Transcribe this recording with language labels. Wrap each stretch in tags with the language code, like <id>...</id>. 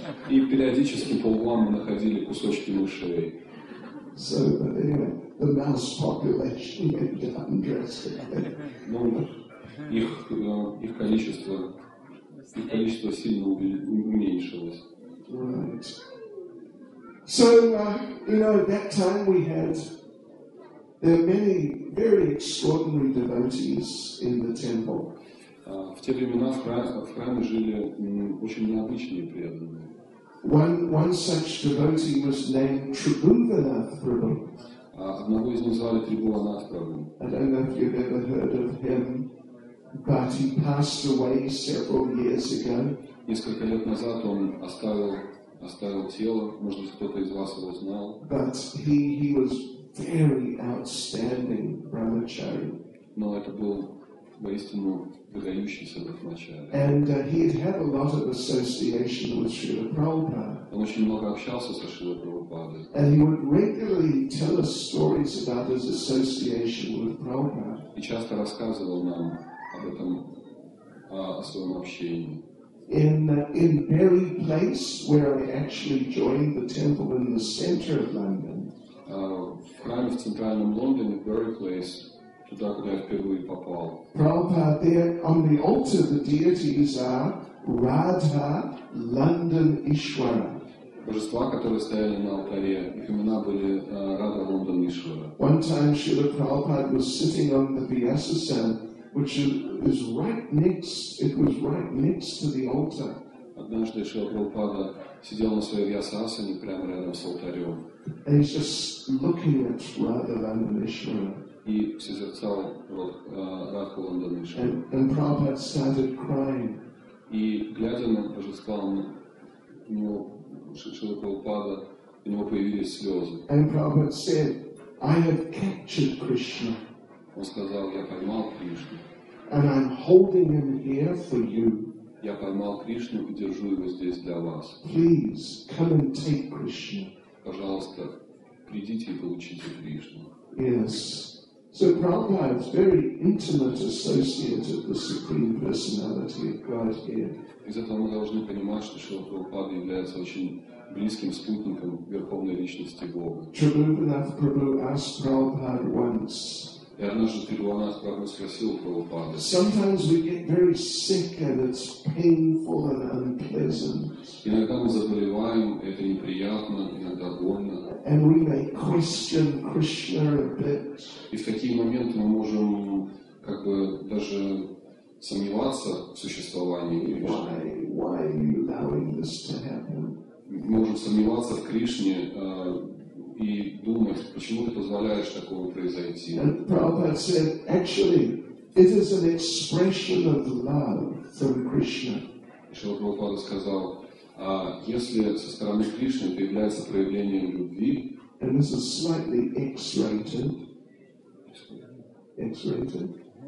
<ru>И периодически по углам мы находили кусочки мышей.</ru> <en>So, but anyway, the mouse population went down drastically.</en> <ru>Ну, их количество сильно уменьшилось.</ru> <en>Right. So, you know, at that time we had there were many very extraordinary devotees in the temple.</en> <ru>В те времена в храме жили очень необычные преданные.</ru> <en>One such devotee was named Tribhuvanath Prabhu.</en> <ru>Одного из них звали Трибхуванат Прабху.</ru> <en>I don't know if you've ever heard of him, but he passed away several years ago.</en> <ru>Несколько лет назад он оставил тело, может быть, кто-то из вас его знал.</ru> <en>But he was very outstanding brahmachari.</en> <ru>Но это был воистину выдающийся в начале.</ru> <en>And he had had a lot of association with Srila Prabhupada.</en> <ru>Он очень много общался со Шрила Прабхупадой.</ru> <en>And he would regularly tell us stories about his association with Prabhupada.</en> <ru>И часто рассказывал нам об этом, о своем общении.</ru> <en>In Berry Place, where I actually joined the temple in the center of London.</en> <ru>В храме в центральном Лондоне, в Berry Place, туда, куда я впервые попал.</ru> <en>Prabhupada, there on the altar, the deities are Radha, London, Ishwara.</en> <ru>Божества, которые стояли на алтаре, их имена были Radha, London, Ishwara.</ru> <en>One time Srila Prabhupada was sitting on the Vyasasana, which is right next to the altar.</en> <ru>Однажды Шрила Прабхупада сидел на своей Вьясасане прямо рядом с алтарем.</ru> <en>And he's just looking at Radha, London, Ishwara.</en> <ru>И созерцал Радху Лондон Ишвара.</ru> <en>And Prabhupada started crying.</en> <ru>И глядя на божества, у него Шрила Прабхупада, у него появились слезы.</ru> <en>And Prabhupada said, I have captured Krishna.</en> <ru>Он сказал, я поймал Кришну.</ru> <en>And I'm holding him here for you.</en> <ru>Я поймал Кришну и держу его здесь для вас.</ru> <en>Please come and take Krishna.</en> <ru>Пожалуйста, придите и получите Кришну.</ru> <en>Yes. So Prabhupada is very intimate associate of the Supreme Personality of Godhead.</en> <ru>Из этого мы должны понимать, что Шрила Прабхупада является очень близким спутником Верховной Личности Бога.</ru> <en>Tribhuvanath Prabhu asked Prabhupada once.</en> <ru>И однажды Тригуанат Прабху спросил Прабхупаду.</ru> <en>Sometimes we get very sick and it's painful and unpleasant.</en> <ru>Иногда мы заболеваем, это неприятно, иногда больно.</ru> <en>And we may question Krishna a bit.</en> <ru>И в такие моменты мы можем как бы даже сомневаться в существовании Кришны.</ru> <en>Why are you allowing this to happen?</en> <ru>Мы можем сомневаться в Кришне и думать, почему ты позволяешь такого произойти.</ru> <en>And Prabhupada said, actually, it is an expression of love from Krishna.</en> <ru>Шрила Прабхупада сказал, если со стороны Кришны это является проявлением любви,</ru> <en>and this is slightly X-rated. X-rated.</en>